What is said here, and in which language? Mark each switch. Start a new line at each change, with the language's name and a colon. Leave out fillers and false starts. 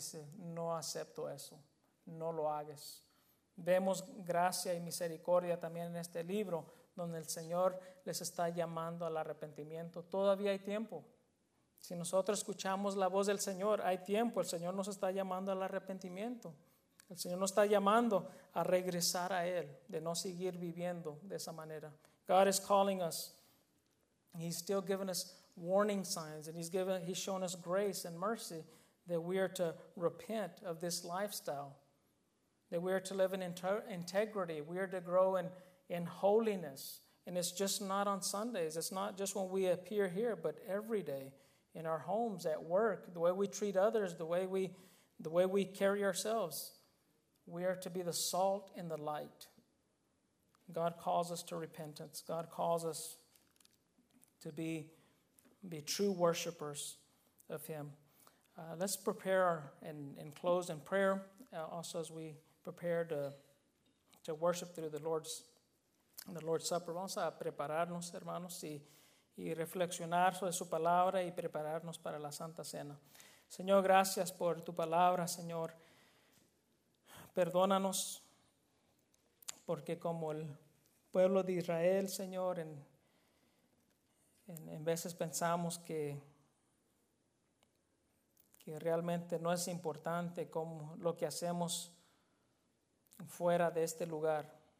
Spanish: Dice, no acepto eso, no lo hagas. Vemos gracia y misericordia también en este libro, donde el Señor les está llamando al arrepentimiento. Todavía hay tiempo. Si nosotros escuchamos la voz del Señor, hay tiempo. El Señor nos está llamando al arrepentimiento. El Señor nos está llamando a regresar a Él, de no seguir viviendo de esa manera.
English: God is calling us. He's still giving us warning signs, and he's shown us grace and mercy that we are to repent of this lifestyle, that we are to live in integrity, we are to grow in holiness. And it's just not on Sundays, it's not just when we appear here, but every day in our homes, at work, the way we treat others, the way we carry ourselves. We are to be the salt and the light. God calls us to repentance. God calls us to be true worshipers of Him. Let's prepare and close in prayer, also as we prepare to worship through the Lord's Supper.
Spanish: Vamos a prepararnos, hermanos, y reflexionar sobre su palabra y prepararnos para la Santa Cena. Señor, gracias por tu palabra, Señor. Perdónanos, porque como el pueblo de Israel, Señor, en veces pensamos que realmente no es importante como lo que hacemos fuera de este lugar.